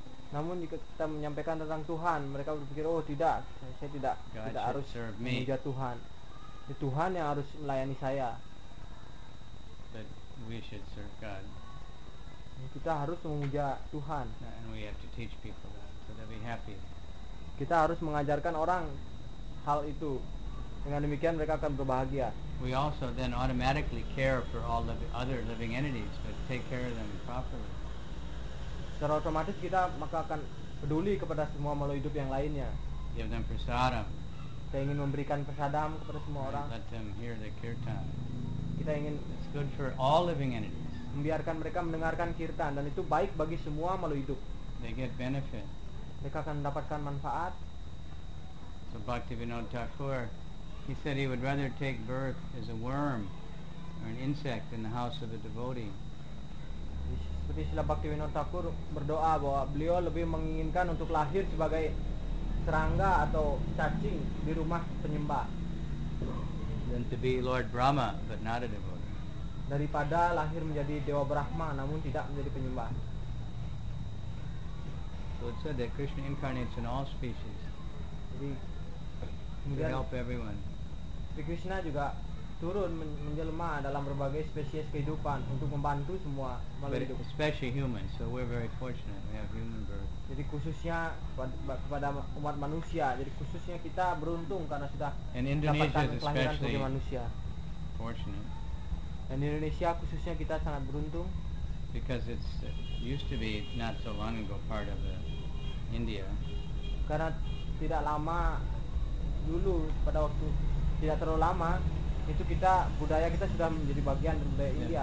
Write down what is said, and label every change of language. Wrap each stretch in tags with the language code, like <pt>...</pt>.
<id>Namun jika kita menyampaikan tentang Tuhan, mereka berpikir, oh tidak, saya tidak</id> <en>God</en> <id>tidak harus memuja Tuhan. Ya, Tuhan yang harus melayani saya.</id> <en>But we should serve God.</en> <id>Kita harus memuja Tuhan.</id> <en>And we have to teach people that, so they'll be happy.</en> <id>Kita harus mengajarkan orang hal itu. Dengan demikian mereka akan berbahagia.</id> <en>We also then automatically care for all the other living entities, but take care of them properly.</en> <id>Secara otomatis kita maka akan peduli kepada semua makhluk hidup yang lainnya.</id> <en>Give them prasadam.</en> <id>Kita ingin memberikan prasadam kepada semua orang.</id> <en>Let them hear the kirtan.</en> <id>Kita ingin.</id> <en>It's good for all living entities.</en> <id>Membiarkan mereka mendengarkan kirtan dan itu baik bagi semua makhluk hidup.</id> <en>They get benefit.</en> <id>Mereka akan mendapatkan manfaat.</id> <en>So Bhaktivinoda Thakur, he said he would rather take birth as a worm or an insect in the house of a devotee.</en> <id>Seperti Srila Bhaktivinoda Thakur berdoa bahwa beliau lebih menginginkan untuk lahir sebagai serangga atau cacing di rumah penyembah.</id> <en>Than to be Lord Brahma, but not a devotee.</en> <id>Daripada lahir menjadi Dewa Brahma, namun tidak menjadi penyembah.</id> <en>So it said that Krishna incarnates in all species.</en> <id>Jadi,</id> <en>to help everyone.</en> <id>Krishna juga turun menjelma dalam berbagai spesies kehidupan untuk membantu semua makhluk hidup.</id> <en>Especially humans, so we're very fortunate. We have human birth.</en> <id>Jadi khususnya kepada umat manusia. Jadi khususnya kita beruntung karena sudah mendapatkan kelahiran sebagai manusia.</id> <en>Fortunate.</en> <id>Dan Indonesia khususnya kita sangat beruntung.</id> <en>Because it's used to be not so long ago part of India.</en> <id>Karena tidak lama dulu pada waktu tidak terlalu lama itu kita budaya kita sudah menjadi bagian dari budaya India.</id>